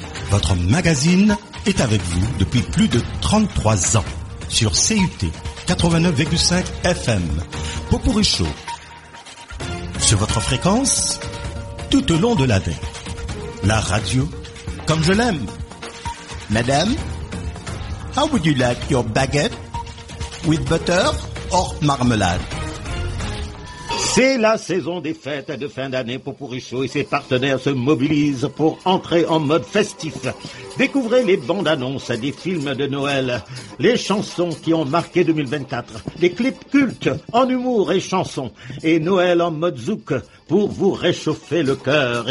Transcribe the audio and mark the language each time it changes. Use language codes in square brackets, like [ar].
[fr] Votre magazine est avec vous depuis plus de 33 ans. Sur CUT 89,5 FM, Popourri Show, sur votre fréquence, tout au long de l'année, la radio, comme je l'aime. [en] Madame, how would you like your baguette, with butter or marmalade? [fr] C'est la saison des fêtes de fin d'année pour Pourri Show et ses partenaires se mobilisent pour entrer en mode festif. Découvrez les bandes annonces des films de Noël, les chansons qui ont marqué 2024, les clips cultes en humour et chansons, et Noël en mode zouk pour vous réchauffer le cœur.